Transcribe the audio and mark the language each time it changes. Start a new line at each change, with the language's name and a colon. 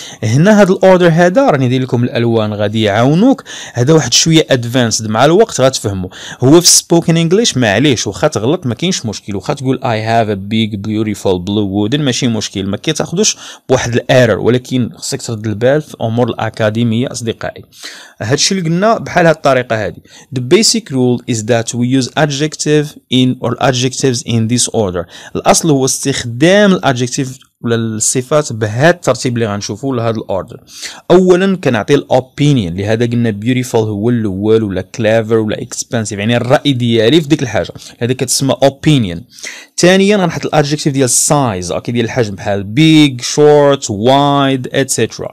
Arabic: هنا هذا الأوردر هذا راني ندير لكم الألوان غادي يعاونوك، هذا واحد شوية advanced، مع الوقت غتفهمو. هو في spoken English معليش واخا تغلط ما كاينش مشكل، واخا تقول
English: I have a big beautiful blue wooden
Arabic: ماشي مشكل، ما كيتاخذوش بواحد الايرور، ولكن خصك ترد البال في امور الاكاديميه اصدقائي. هادشي اللي قلنا بحال هاد الطريقه هادي.
English: The basic rule is that we use adjective in or adjectives in this order.
Arabic: الاصل هو استخدام الادجكتيف ولا الصفات بهذا الترتيب اللي غنشوفوا لهذا الاوردر. اولا كنعطي الاوبينيون، لهذا قلنا بيوتيفول هو الاول، ولا كلافر، ولا اكسبنسيف يعني الراي ديالي في ديك الحاجه، هذا كتسمى اوبينيون. ثانيا غنحط الادجكتيف ديال السايز اوكي ديال الحجم بحال بيج شورت وايد اتسيترا.